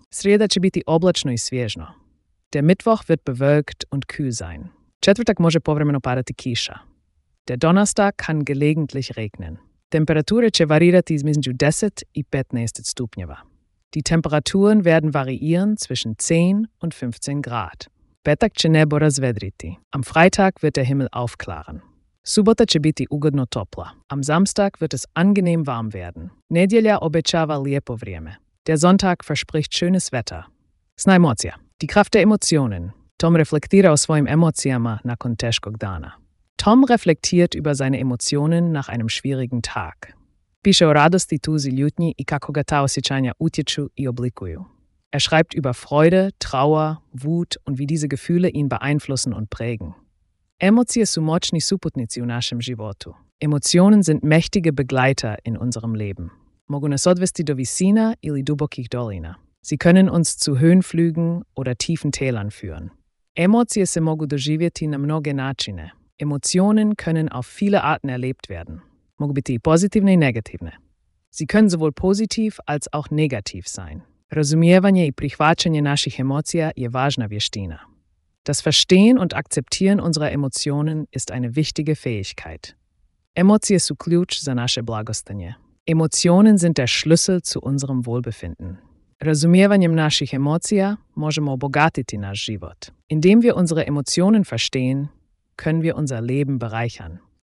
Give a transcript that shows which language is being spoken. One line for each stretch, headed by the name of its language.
Croatian: Srijeda će biti oblačno i svježno.
German: Der Mittwoch wird bewölkt und kühl sein.
Croatian: Četvrtak može povremeno padati kiša.
German: Der Donnerstag kann gelegentlich regnen.
Croatian: Temperature će varirati između 10 i 15 stupnjeva.
German: Die Temperaturen werden variieren zwischen 10 und 15 Grad.
Croatian: Petak će nebo razvedriti.
German: Am Freitag wird der Himmel aufklaren.
Croatian: Subota će biti ugodno topla.
German: Am Samstag wird es angenehm warm werden.
Croatian: Nedjelja obećava lijepo vrijeme.
German: Der Sonntag verspricht schönes Wetter.
Croatian: Sna emocija.
German: Die Kraft der Emotionen.
Croatian: Tom reflektira o svojim emocijama nakon teškog dana.
German: Tom reflektiert über seine Emotionen nach einem schwierigen Tag.
Croatian: Piše o radosti, tuzi, ljutnji i kako ga ta osjećanja utječu i oblikuju.
German: Er schreibt über Freude, Trauer, Wut und wie diese Gefühle ihn beeinflussen und prägen.
Croatian: Emocije su moćni suputnici u našem životu.
German: Emotionen sind mächtige Begleiter in unserem Leben.
Croatian: Mogu nas odvesti do visina ili dubokih dolina.
German: Sie können uns zu Höhenflügen oder tiefen Tälern führen.
Croatian: Emocije se mogu doživjeti na mnoge načine.
German: Emotionen können auf viele Arten erlebt werden.
Croatian: Mogu biti pozitivne i negativne.
German: Sie können sowohl positiv als auch negativ sein.
Croatian: Razumijevanje i prihvaćanje naših emocija je važna vještina.
German: Das Verstehen und Akzeptieren unserer Emotionen ist eine wichtige Fähigkeit.
Croatian: Emocije su ključ za naše blagostanje.
German: Emotionen sind der Schlüssel zu unserem Wohlbefinden.
Croatian: Razumijevanjem naših emocija možemo obogatiti naš život.
German: Indem wir unsere Emotionen verstehen, können wir unser Leben bereichern.